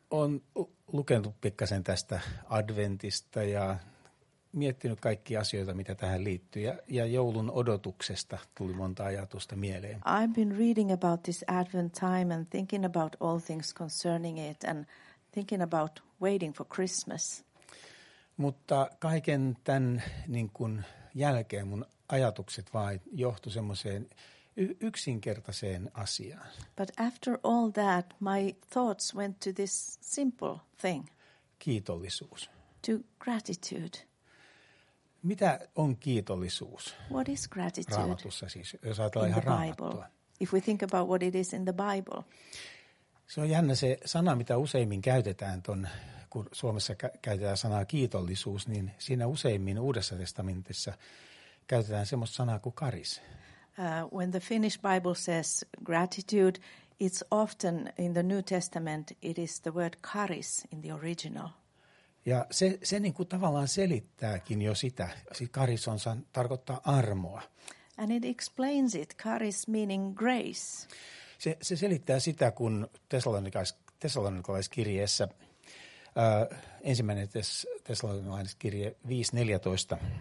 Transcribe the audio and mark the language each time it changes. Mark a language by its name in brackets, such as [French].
[Finnish] on lukenut pikkasen tästä adventista ja miettinyt kaikkia asioita, mitä tähän liittyy. Ja joulun odotuksesta tuli monta ajatusta mieleen. [English] I've been reading about this Advent time and thinking about all things concerning it and thinking about waiting for Christmas. [Finnish] Mutta kaiken tämän niin kuin jälkeen mun ajatukset vain johtui semmoiseen yksinkertaiseen asiaan. [English] But after all that, my thoughts went to this simple thing. [Finnish] Kiitollisuus. [English] To gratitude. [Finnish] Mitä on kiitollisuus? [English] What is gratitude? [Finnish] Raamatussa siis, jos ajatellaan ihan Raamattua. [English] If we think about what it is in the Bible. [Finnish] Se on jännä se sana, mitä useimmin käytetään tuon, kun Suomessa käytetään sanaa kiitollisuus, niin siinä useimmin Uudessa testamentissa käytetään semmoista sanaa kuin karis. [English] When the Finnish Bible says gratitude, it's often in the New Testament, it is the word karis in the original. [Finnish] Ja se niin kuin tavallaan selittääkin jo sitä. Karis on tarkoittaa armoa. [English] And it explains it, karis meaning grace. [Finnish] Se selittää sitä, kun Tesalonikalaiskirjeessä, ensimmäinen Tesalonikalaiskirje 5.14.